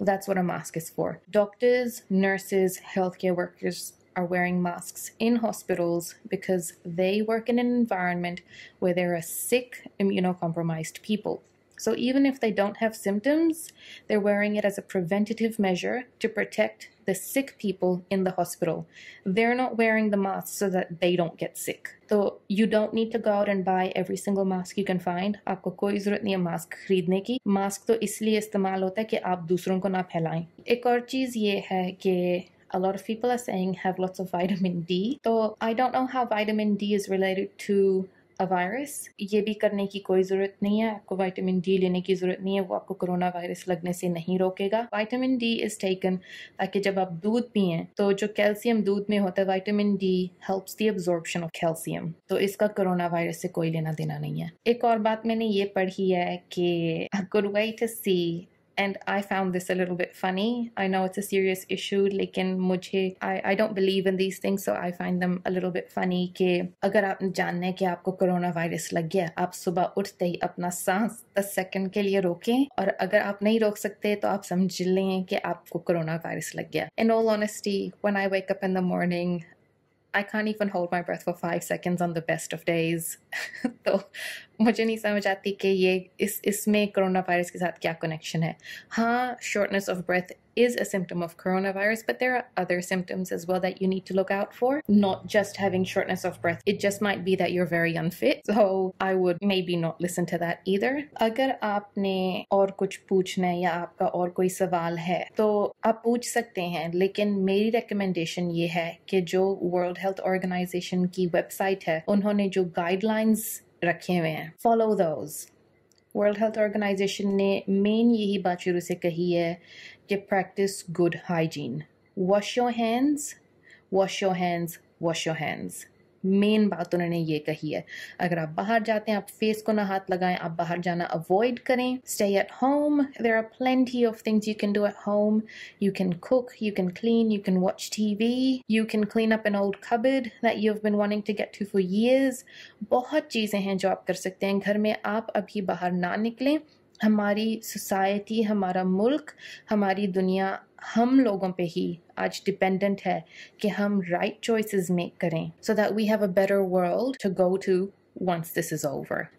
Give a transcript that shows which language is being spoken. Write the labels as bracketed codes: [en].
[en] That's what a mask is for. Doctors, nurses, healthcare workers are wearing masks in hospitals because they work in an environment where there are sick, immunocompromised people. So even if they don't have symptoms, they're wearing it as a preventative measure to protect the sick people in the hospital. They're not wearing the mask so that they don't get sick. So you don't need to go out and buy every single mask you can find. [hi] आपको कोई ज़रूरत नहीं है mask खरीदने की. Mask तो इसलिए इस्तेमाल होता है कि आप दूसरों को ना फैलाएं. एक और चीज़ ये है कि [en] a lot of people are saying have lots of vitamin D. So I don't know how vitamin D is related to a virus. [hi] ये भी करने की कोई ज़रूरत नहीं है. आपको vitamin D लेने की ज़रूरत नहीं है. वो आपको corona virus लगने से नहीं रोकेगा. [en] Vitamin D is taken [hi] ताकि जब आप दूध पिएं तो जो calcium दूध में होता है [en] vitamin D helps the absorption of calcium. [hi] तो इसका corona virus से कोई लेना देना नहीं है. एक और बात मैंने ये पढ़ी है कि [en] a good way to see and I found this a little bit funny. I know it's a serious issue, [hi] लेकिन मुझे [en] I don't believe in these things, so I find them a little bit funny. [hi] कि अगर आप जानने कि आपको coronavirus लग गया, आप सुबह उठते ही अपना सांस 10 सेकंड के लिए रोकें, और अगर आप नहीं रोक सकते, तो आप समझ लें कि आपको coronavirus लग गया. [en] In all honesty, when I wake up in the morning, I can't even hold my breath for 5 seconds on the best of days. [hi] तो मुझे नहीं समझ आती कि ये इसमें coronavirus के साथ क्या connection है. [en] हाँ, shortness of breath is a symptom of coronavirus, but there are other symptoms as well that you need to look out for. Not just having shortness of breath, it just might be that you're very unfit. So I would maybe not listen to that either. [hi] अगर आपने और कुछ पूछना है या आपका और कोई सवाल है तो आप पूछ सकते हैं, लेकिन मेरी recommendation ये है कि जो World Health Organization की website है, उन्होंने जो guidelines रखे हुए हैं, [en] follow those. [hi] World Health Organization ने main यही बात शुरू से कही है कि [en] practice good hygiene. Wash your hands, wash your hands, wash your hands. [hi] Main बात उन्होंने ये कही है. अगर आप बाहर जाते हैं, आप face को ना हाथ लगाएं, आप बाहर जाना avoid करें. [en] Stay at home. There are plenty of things you can do at home. You can cook, you can clean, you can watch TV. You can clean up an old cupboard that you've been wanting to get to for years. [hi] बहुत चीज़ें हैं जो आप कर सकते हैं. घर में आप अभी बाहर ना निकलें. हमारी सोसाइटी, हमारा मुल्क, हमारी दुनिया हम लोगों पे ही आज डिपेंडेंट है कि हम राइट चॉइसेस मेक करें [en] So that we have a better world to go to once this is over.